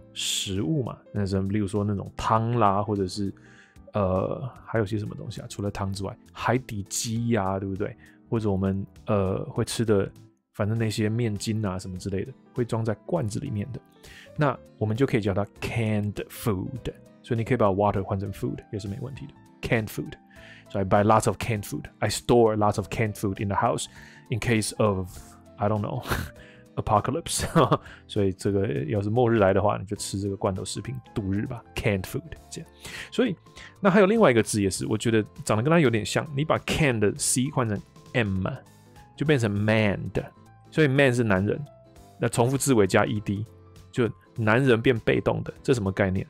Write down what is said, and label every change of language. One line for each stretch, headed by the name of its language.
Chinese: 食物嘛，那什么，例如说那种汤啦，或者是还有些什么东西啊？除了汤之外，海底鸡呀、啊，对不对？或者我们会吃的，反正那些面筋啊什么之类的，会装在罐子里面的，那我们就可以叫它 canned food。所以你可以把 water 换成 food 也是没问题的 ，canned food。
English: So I buy lots of canned food. I store lots of canned food in the house in case of, I don't know, apocalypse.
Chinese: 所以这个要是末日来的话，你就吃这个罐头食品度日吧。 Canned food. 这样。所以那还有另外一个字也是，我觉得长得跟它有点像。你把 canned 的 C 换成 M， 就变成 manned。所以 man 是男人，那重复字尾加 ed， 就男人变被动的。这什么概念？